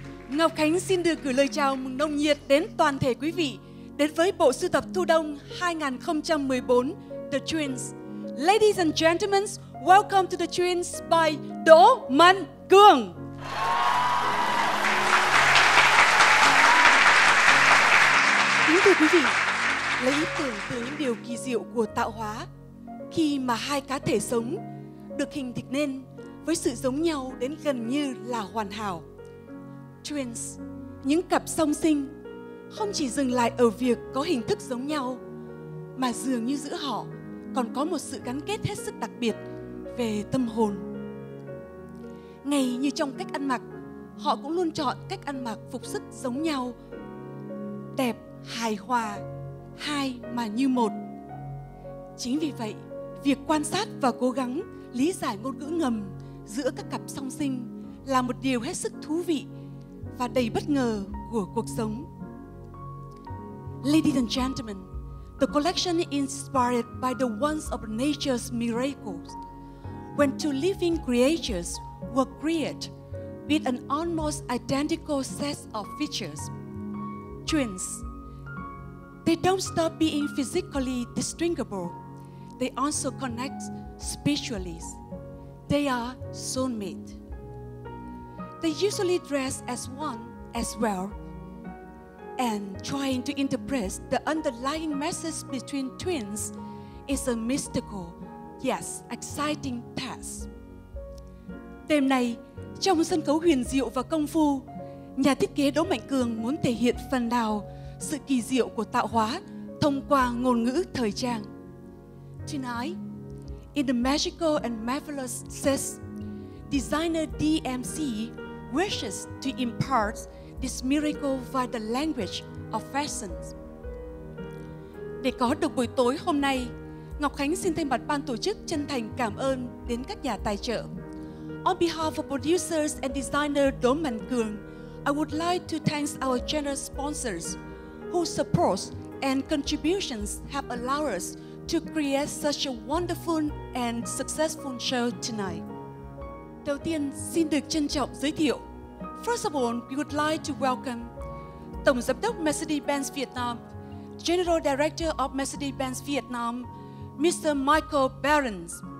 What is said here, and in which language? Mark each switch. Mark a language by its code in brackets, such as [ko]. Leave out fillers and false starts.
[vi] Ngọc Khánh xin được gửi lời chào mừng nồng nhiệt đến toàn thể quý vị đến với bộ sưu tập thu đông 2014 The Twins. [en] Ladies and gentlemen, welcome to The Twins by Đỗ Mạnh Cường. [vi] Kính thưa quý vị, lấy ý tưởng từ những điều kỳ diệu của tạo hóa, khi mà hai cá thể sống được hình thành nên với sự giống nhau đến gần như là hoàn hảo. Twins, những cặp song sinh, không chỉ dừng lại ở việc có hình thức giống nhau, mà dường như giữa họ còn có một sự gắn kết hết sức đặc biệt về tâm hồn. Ngay như trong cách ăn mặc, họ cũng luôn chọn cách ăn mặc phục sức giống nhau, đẹp, hài hòa, hai mà như một. Chính vì vậy, việc quan sát và cố gắng lý giải ngôn ngữ ngầm giữa các cặp song sinh là một điều hết sức thú vị và đầy bất ngờ của cuộc sống. [en] Ladies and gentlemen, the collection is inspired by the wonders of nature's miracles. When two living creatures were created with an almost identical set of features, twins, they don't stop being physically distinguishable. They also connect spiritually. They are soulmates. They usually dress as one as well, and trying to interpret the underlying message between twins is a mystical, yes, exciting task. [vi] Đêm nay, trong sân khấu huyền diệu và công phu, nhà thiết kế Đỗ Mạnh Cường muốn thể hiện phần nào sự kỳ diệu của tạo hóa thông qua ngôn ngữ thời trang. [en] Tonight, in the magical and marvelous sense, designer DMC wishes to impart this miracle via the language of fashion. [vi] Để có được buổi tối hôm nay, Ngọc Khánh xin thay mặt ban tổ chức chân thành cảm ơn đến các nhà tài trợ. [en] On behalf of producers and designer Đỗ Mạnh Cường, I would like to thank our generous sponsors whose support and contributions have allowed us to create such a wonderful and successful show tonight. [vi] Đầu tiên, xin được trân trọng giới thiệu. [en] First of all, we would like to welcome [vi] Tổng Giám đốc Mercedes-Benz Việt Nam, [en] General Director of Mercedes-Benz Việt Nam, Mr. Michael Behrens.